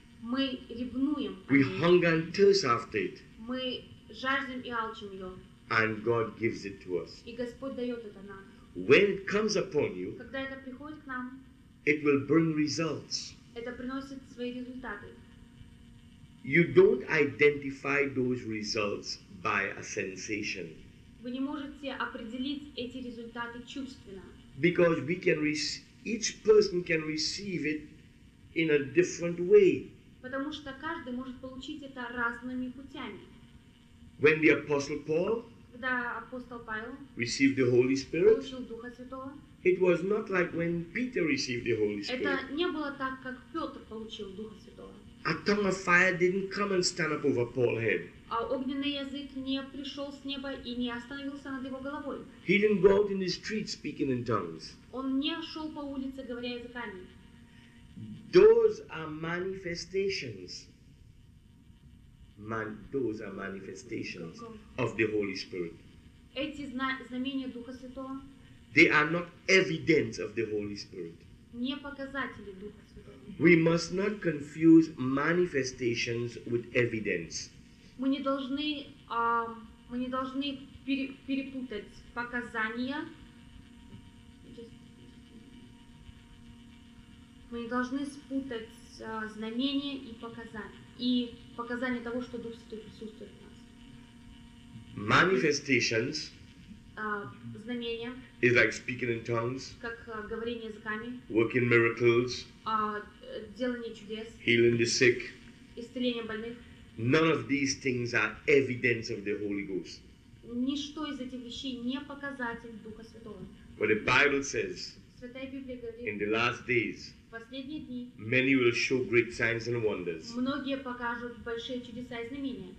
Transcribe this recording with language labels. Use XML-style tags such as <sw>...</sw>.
<ru>Мы ревнуем.</ru> <en>We hunger and thirst after it.</en> <ru>Мы жаждем и алчим ее.</ru> <en>And God gives it to us.</en> <ru>И Господь дает это нам.</ru> <en>When it comes upon you,</en> <ru>когда это приходит к нам,</ru> <en>it will bring results.</en> <ru>Это приносит свои результаты.</ru> <en>You don't identify those results by a sensation.</en> <ru>Вы не можете определить эти результаты чувственно.</ru> <en>Because we can each person can receive it in a different way.</en> <ru>Потому что каждый может получить это разными путями.</ru> <en>When the apostle Paul,</en> <ru>когда апостол Павел,</ru> <en>received the Holy Spirit,</en> <ru>получил Духа Святого,</ru> <en>it was not like when Peter received the Holy Spirit.</en> <ru>Это не было так, как Петр получил Духа Святого.</ru> <en>A tongue of fire didn't come and stand up over Paul's head.</en> <ru>А огненный язык не пришел с неба и не остановился над его головой.</ru> <en>He didn't go out in the street speaking in tongues.</en> <ru>Он не шел по улице, говоря языками.</ru> <en>Those are manifestations. Those are manifestations of the Holy Spirit.</en> <ru>Эти знамения Духа Святого.</ru> <en>They are not evidence of the Holy Spirit.</en> <ru>Не показатели Духа Святого.</ru> <en>We must not confuse manifestations with evidence.</en> <ru>Мы не должны перепутать показания. Мы не должны спутать знамения и показания того, что Дух Святой присутствует в нас.</ru> <en>Manifestations.</en> <ru>Знамения.</ru> <en>Is like speaking in tongues.</en> <ru>Как говорение языками.</ru> <en>Working miracles.</en> <ru>Делание чудес.</ru> <en>Healing the sick.</en> <ru>Исцеление больных.</ru> <en>None of these things are evidence of the Holy Ghost.</en> <ru>Ничто из этих вещей не показатель Духа Святого.</ru> <en>But the Bible says,</en> <ru>Святая Библия говорит,</ru> <en>in the last days,</en> <ru>в последние дни,</ru> <en>many will show great signs and wonders.</en> <ru>Многие покажут большие чудеса и знамения.</ru>